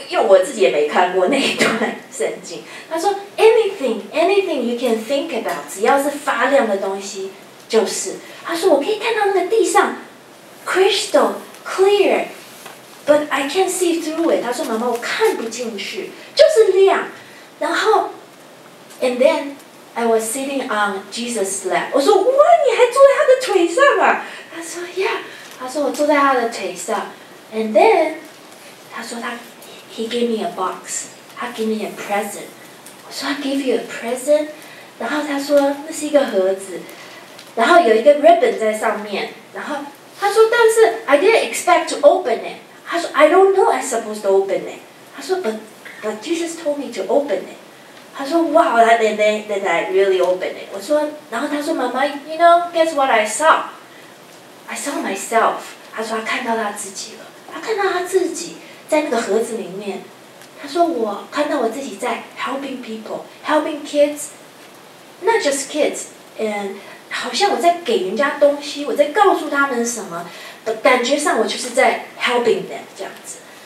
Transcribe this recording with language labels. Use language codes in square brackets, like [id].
[zh] 因为我自己也没看过那一段圣经。他说 [en] Anything you can think about， [zh] 只要是发亮的东西就是。他说我可以看到那个地上 [en] Crystal clear but I can't see through it。 [zh] 他说妈妈我看不进去，就是亮。然后 [en] And then I was sitting on Jesus' lap。 [zh] 我说哇，你还坐在他的腿上啊？他说 [en] Yeah。 [zh] 他说我坐在他的腿上。 [en] And then， [zh] 他说他 [en] ，he gave me a box， [zh] 他 [en] gave me a present。 So I give you a present. [zh] 然后他说那是一个盒子，然后有一个 ribbon 在上面。然后他说，但是 [en] I didn't expect to open it. [zh] 他说 [en] I don't know I'm supposed to open it. 他说 but Jesus told me to open it. [zh] 他说 [en] wow, then I really open it. [zh] 我说，然后他说妈妈 [en] you know, guess what I saw? I saw myself. [zh] 他说他看到他自己了，他看到他自己在那个盒子里面。他说我看到我自己在 [en] helping people, helping kids,Not just kids, and [zh] 好像我在给人家东西，我在告诉他们什么，感觉上我就是在 [en] helping them [zh] 这样子。